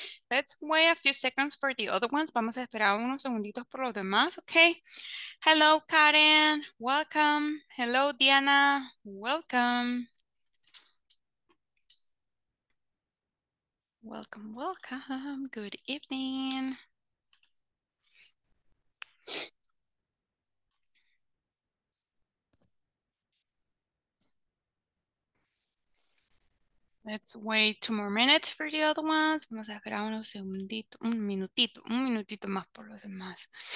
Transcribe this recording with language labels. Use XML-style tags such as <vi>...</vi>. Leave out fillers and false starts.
<en>Let's wait a few seconds for the other ones.</en> <es>Vamos a esperar unos segunditos por los demás, okay?</es> <en>Hello, Karen. Welcome. Hello, Diana. Welcome. Welcome, welcome. Good evening. Let's wait 2 more minutes for the other ones.</en> <es>Vamos a esperar unos segunditos, un minutito más por los demás.</es>